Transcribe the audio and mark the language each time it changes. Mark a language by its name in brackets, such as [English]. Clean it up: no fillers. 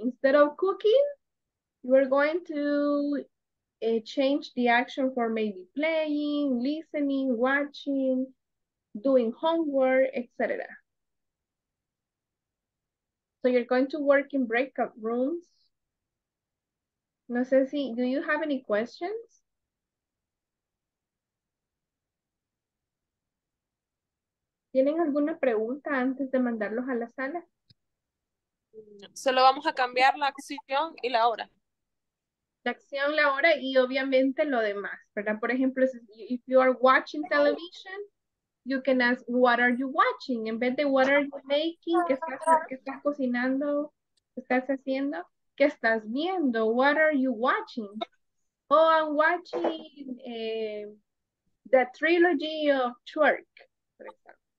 [English] Instead of cooking, you're going to change the action for maybe playing, listening, watching, doing homework, etc. So you're going to work in breakout rooms. [Spanish] No sé si, [English] do you have any questions? [Spanish] ¿Tienen alguna pregunta antes de mandarlos a la sala? Solo vamos a cambiar la acción y la hora. La acción, la hora y obviamente lo demás, ¿verdad? Por ejemplo, [English] if you are watching television, you can ask, "What are you watching?" [Spanish] En vez de [English] "What are you making?" [Spanish] ¿Qué estás cocinando? ¿Qué estás haciendo? ¿Qué estás viendo? [English] "What are you watching?" "Oh, I'm watching the trilogy of Twerk, for example."